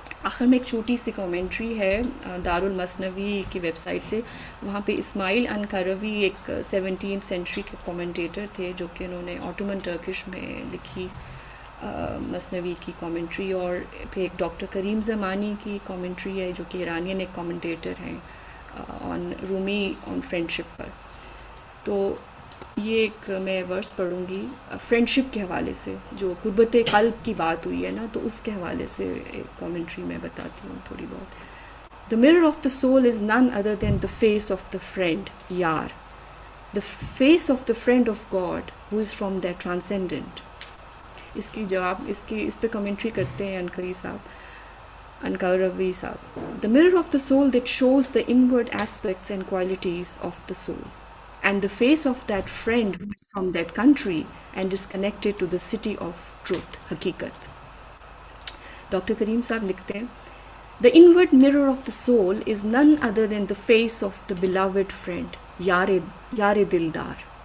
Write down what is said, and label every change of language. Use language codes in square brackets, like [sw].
[ur] آخر میں ایک چھوٹی سی کامنٹری ہے دار المثنوی کی ویب سائٹ سے, وہاں پہ اسماعیل انکاروی ایک 17th century کے کامنٹیٹر تھے جو کہ انہوں نے آٹومن ٹرکش میں لکھی مثنوی کی کامنٹری, اور پھر ایک ڈاکٹر کریم زمانی کی کامنٹری ہے جو کہ ایرانین ایک کامنٹیٹر ہیں [en] on Rumi on friendship [ur] پر. تو یہ ایک میں ورس پڑھوں گی فرینڈشپ کے حوالے سے, جو قربت قلب کی بات ہوئی ہے نا تو اس کے حوالے سے ایک کامنٹری میں بتاتی ہوں تھوڑی بہت. [en] The mirror of the soul is none other than the face of the friend یار, the face of the friend of God who is from the transcendent. [ur] اس کی جواب اس کی اس پہ کامنٹری کرتے ہیں انکری صاحب انکروی صاحب. [en] The mirror of the soul that shows the inward aspects and qualities of the soul. And the face of that friend who is from that country and is connected to the city of truth, hakikat. Dr. [ur] Kareem Saab likhte hain, [en] the inward mirror of the soul is none other than the face of the beloved friend, yaar-e-dildar.